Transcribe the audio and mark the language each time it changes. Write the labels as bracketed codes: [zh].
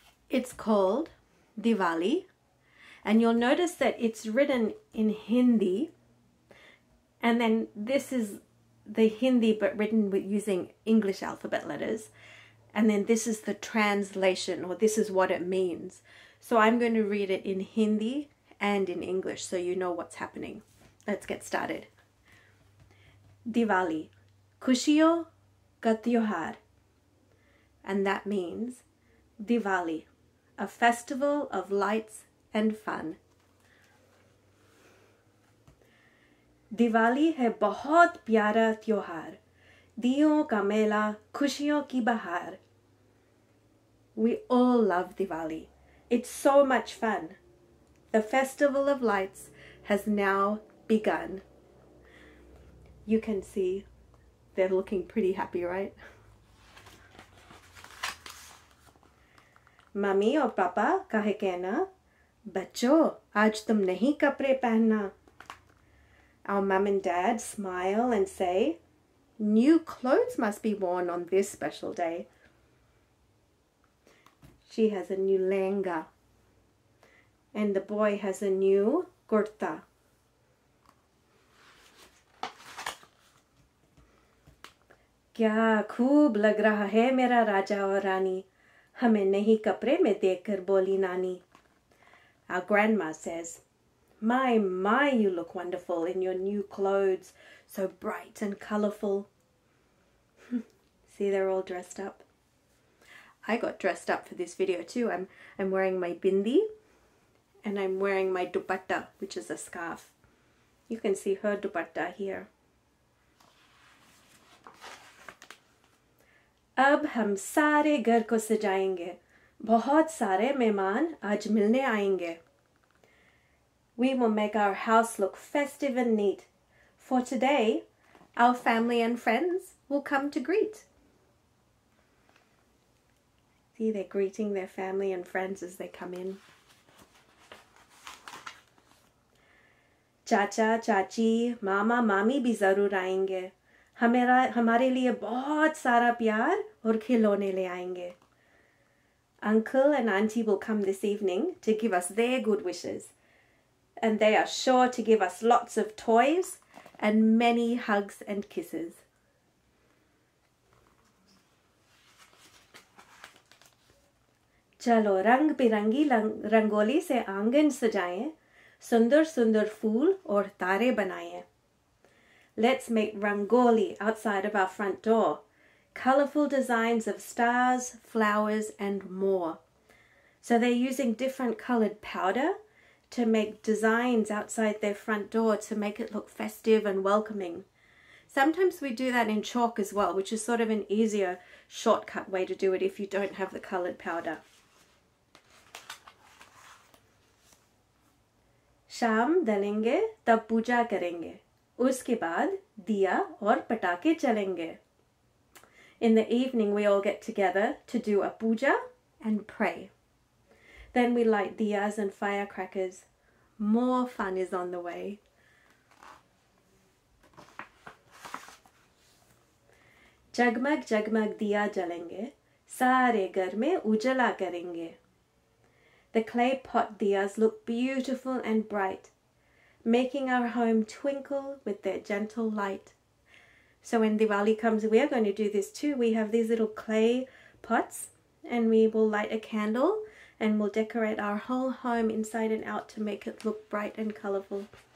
[en] It's called Diwali, and you'll notice that it's written in Hindi, and then this is the Hindi but written with using English alphabet letters, and then this is the translation, or this is what it means. So I'm going to read it in Hindi and in English, so you know what's happening. Let's get started. [hi] Diwali, कुशियो गत्योहार. [en] And that means Diwali, a festival of lights and fun. [hi] Diwali है बहुत प्यारा त्योहार. दियो का मेला, कुशियो की बहार. [en] We all love Diwali. It's so much fun. The Festival of Lights has now begun. You can see they're looking pretty happy, right? [hi] Mummy or Papa kahe kehna, bacho, aaj tum nahi kapre pehna. [en] Our mum and dad smile and say, new clothes must be worn on this special day. She has a new lehenga. And the boy has a new kurta. [hi] क्या खूब लग रहा है मेरा राजा और रानी. हमे नही कपरे में देखकर बोली नानी. [en] Our grandma says, my, my, you look wonderful in your new clothes. So bright and colourful. See, they're all dressed up. I got dressed up for this video too. I'm wearing my bindi. And I'm wearing my dupatta, which is a scarf. You can see her dupatta here. [hi] अब हम सारे घर को सजायेंगे. बहुत सारे मेहमान आज मिलने आयेंगे. [en] We will make our house look festive and neat. For today, our family and friends will come to greet. See, they're greeting their family and friends as they come in. [hi] चाचा, चाची, मामा, मामी भी ज़रूर आयेंगे. हमारे लिये बहुत सारा प्यार और खिलोने ले आयेंगे. [en] Uncle and auntie will come this evening to give us their good wishes. And they are sure to give us lots of toys and many hugs and kisses. चलो रंग बिरंगी रंगोली से आंगन सजाये. सुंदर सुंदर फूल और तारे बनाये. Let's make rangoli outside of our front door. Colorful designs of stars, flowers and more. So they're using different colored powder to make designs outside their front door to make it look festive and welcoming. Sometimes we do that in chalk as well, which is sort of an easier shortcut way to do it if you don't have the colored powder. [hi] शाम डलेंगे तब पूजा करेंगे. उसके बाद दिया और पटाके चलेंगे. [en] In the evening we all get together to do a puja and pray. Then we light diyas and firecrackers. More fun is on the way. [hi] जगमग जगमग दिया जलेंगे. सारे घर में उजाला करेंगे. [en] The clay pot diyas look beautiful and bright, making our home twinkle with their gentle light. So when Diwali comes, we are going to do this too. We have these little clay pots and we will light a candle and we'll decorate our whole home inside and out to make it look bright and colourful.